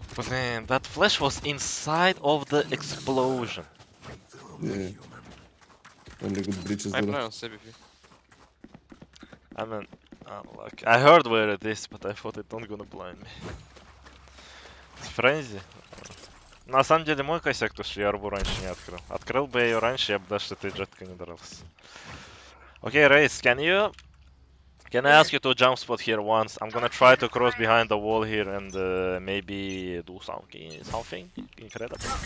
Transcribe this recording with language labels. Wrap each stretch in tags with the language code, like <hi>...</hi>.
<en>Man, that flash was inside of the explosion. Yeah. Only good bridges. I play on CBP. I mean, unlucky. I heard where it is, but I thought it not gonna blind me. It's frenzy.</en> <ru>На самом деле мой косяк, то что я арбу раньше не открыл. Открыл бы я ее раньше, я бы даже с этой джеткой не дрался.</ru> <en>Окей, Рейс, can I ask you to jump spot here once? I'm gonna try to cross behind the wall here and maybe do something incredible.</en>